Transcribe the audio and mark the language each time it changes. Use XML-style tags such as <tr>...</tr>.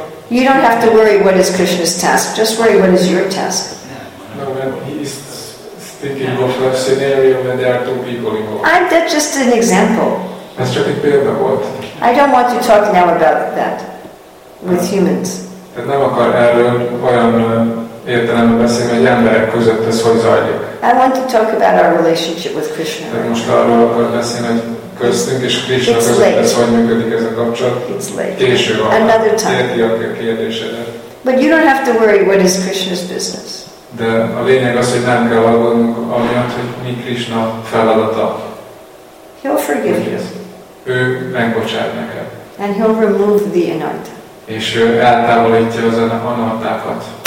<en>You don't have to worry what is Krishna's task, just worry what is your task. No, when he's thinking of a scenario when there are two people involved. That's just an example. That's just a bit of what? I don't want to talk now about that with humans.</en> <hu>Tehát nem akar erről olyan értelemben beszélni, hogy emberek között ez hogy zajlik.</hu> <en>I want to talk about our relationship with Krishna.</en> <hu>De most arról akar beszélni, hogy köztünk és Krishna között ez hogy működik ez a kapcsolat.</hu> <en>It's late.</en> <hu>Késő van.</hu> <en>Another time.</en> <hu>Érti a kérdésedet.</hu> <en>But you don't have to worry what is Krishna's business.</en> <hu>De a lényeg az, hogy nem kell aggódnunk amiatt, hogy mi Krishna feladata.</hu> <en>He'll forgive you.</en> <hu>Ő megbocsát neked.</hu> <en>And he'll remove the anatta.</en> <hu>És ő eltávolítja az anattákat.</hu>